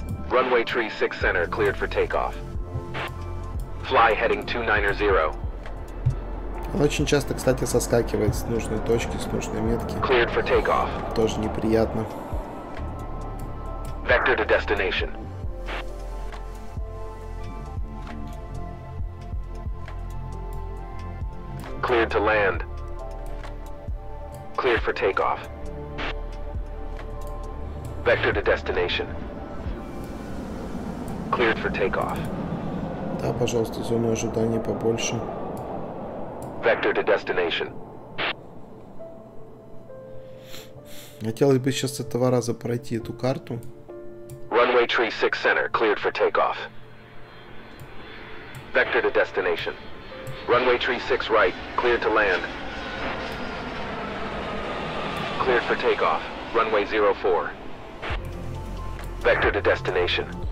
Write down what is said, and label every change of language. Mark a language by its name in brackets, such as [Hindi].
[English] Runway 36 center cleared for takeoff. Fly heading 290. [Russian] Он очень часто, кстати, соскакивает с нужной точки, с нужной метки. [English] Cleared for takeoff. [Russian] Тоже неприятно. [English] Vector to destination. Cleared to land. Cleared for takeoff. Vector to destination. Cleared for takeoff. [Russian] Да, пожалуйста, зону ожидания побольше. [English] Vector to destination. [Russian] Хотелось бы сейчас от 2 раза пройти эту карту. [English] Runway 36 center cleared for takeoff. Vector to destination. Runway 36 right, cleared to land. Cleared for takeoff. Runway 04. Vector to destination.